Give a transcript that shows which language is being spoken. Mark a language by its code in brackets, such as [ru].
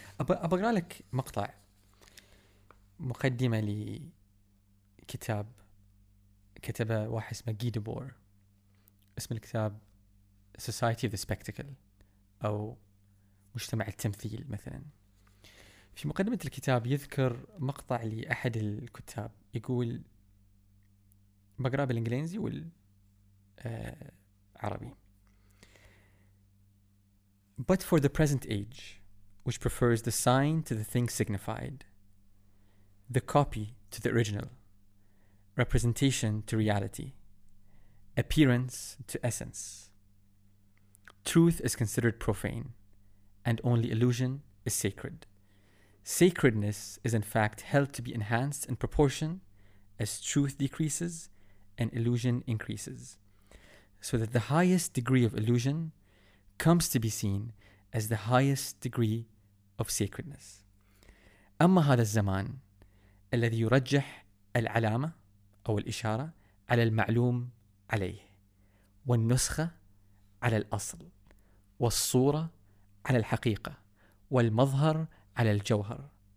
[ar] أبغى أقرأ لك مقطع مقدمة لكتاب كتبه واحد اسمه جي دبور، اسم الكتاب Society of the Spectacle أو مجتمع التمثيل مثلا. في مقدمة الكتاب يذكر مقطع لأحد الكتاب يقول، بقرأ بالإنجليزي والعربي. [en] But for the present age, which prefers the sign to the thing signified, the copy to the original, representation to reality, appearance to essence, truth is considered profane, and only illusion is sacred. Sacredness is in fact held to be enhanced in proportion as truth decreases and illusion increases, so that the highest degree of illusion comes to be seen as the highest degree of sacredness. [ar] أما هذا الزمان الذي يرجح العلامة أو الإشارة على المعلوم عليه، والنسخة على الأصل، والصورة على الحقيقة، والمظهر على الجوهر،